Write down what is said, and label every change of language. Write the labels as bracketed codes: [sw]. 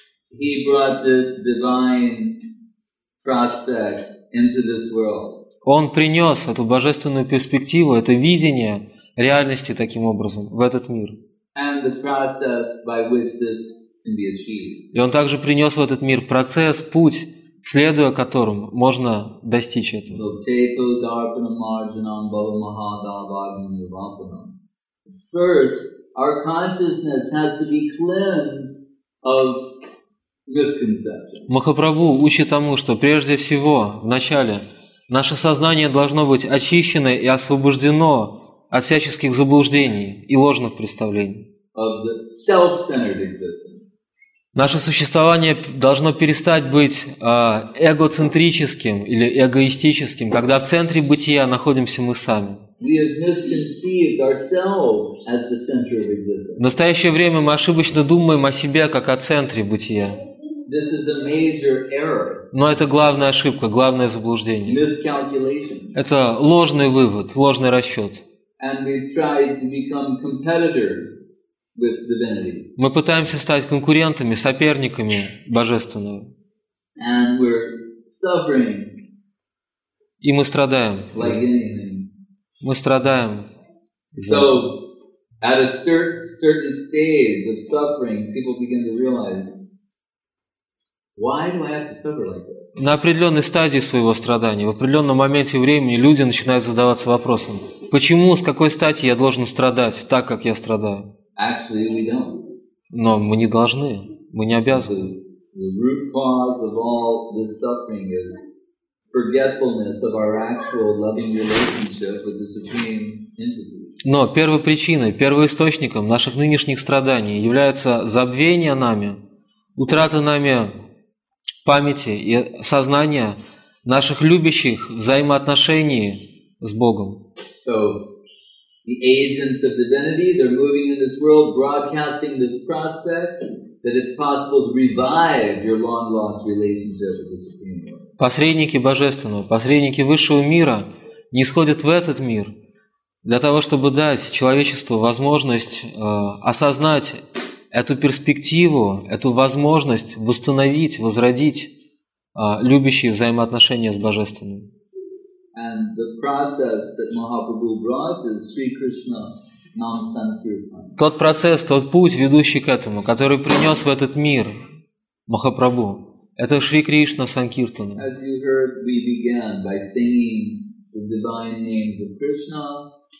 [en] He brought this divine prospect into this world. [ru] Он принес эту божественную перспективу, это видение реальности таким образом в этот мир. [en] And the process by which this can be achieved. [ru] И он также принес в этот мир процесс, путь, следуя которым можно достичь этого. [en] First, our consciousness has to be cleansed of [ru] Махапрабху учит тому, что прежде всего, вначале, наше сознание должно быть очищено и освобождено от всяческих заблуждений и ложных представлений. [en] Of the self-centered existence. [ru] Наше существование должно перестать быть эгоцентрическим или эгоистическим, когда в центре бытия находимся мы сами. [en] We have misconceived ourselves as the center of existence. [ru] В настоящее время мы ошибочно думаем о себе как о центре бытия. [en] This is a major error. [ru] Но это главная ошибка, главное заблуждение. [en] Miscalculation. [ru] Это ложный вывод, ложный расчет. [en] And we've tried to become competitors with divinity. [ru] Мы пытаемся стать конкурентами, соперниками божественного. [en] And we're suffering. [ru] И мы страдаем. [en] Like anything. [ru] Мы страдаем. [en] So, at a certain stage of suffering, people begin to realize. Why do I have to suffer like this? [ru] На определенной стадии своего страдания, в определенном моменте времени люди начинают задаваться вопросом, почему, с какой стати я должен страдать так, как я страдаю? [en] Actually, we don't. [ru] Но мы не должны, мы не обязаны. [en] The root cause of all this suffering is forgetfulness of our actual loving relationship with the Supreme Entity. [ru] Но первопричиной, первоисточником наших нынешних страданий является забвение нами, утрата нами памяти и сознания наших любящих взаимоотношений с Богом. [en] So, the agents of divinity, they're moving in this world, broadcasting this prospect that it's possible to revive your long-lost relationship with the Supreme Lord. [ru] Посредники Божественного, посредники Высшего Мира нисходят в этот мир для того, чтобы дать человечеству возможность осознать эту перспективу, эту возможность восстановить, возродить любящие взаимоотношения с Божественным. [en] And the process that Mahaprabhu brought is Sri Krishna Nam Sankirtan. [ru] Тот процесс, тот путь, ведущий к этому, который принес в этот мир Махапрабху, это Шри Кришна Санкиртана. [en] As you heard, we began by singing the divine names of Krishna.